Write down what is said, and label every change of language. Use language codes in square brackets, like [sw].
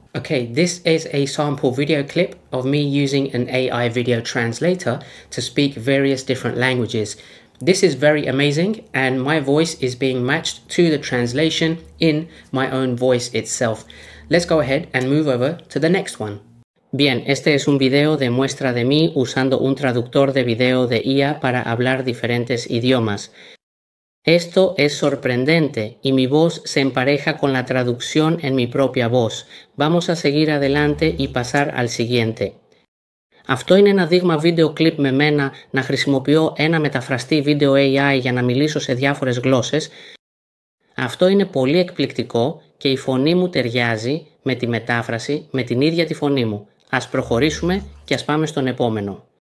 [en] Okay, this is a sample video clip of me using an AI video translator to speak various different languages. This is very amazing, and my voice is being matched to the translation in my own voice itself. Let's go ahead and move over to the next one. [es] Bien, este es un video de muestra de mí usando un traductor de video de IA para hablar diferentes idiomas. Esto es sorprendente y mi voz se empareja con la traducción en mi propia voz. Vamos a seguir adelante y pasar al siguiente. [el] Αυτό είναι ένα δείγμα βίντεο κλιπ με μένα να χρησιμοποιώ ένα μεταφραστή βίντεο AI για να μιλήσω σε διάφορες γλώσσες. Αυτό είναι πολύ εκπληκτικό και η φωνή μου ταιριάζει με τη μετάφραση με την ίδια τη φωνή μου. Ας προχωρήσουμε και ας πάμε στον επόμενο.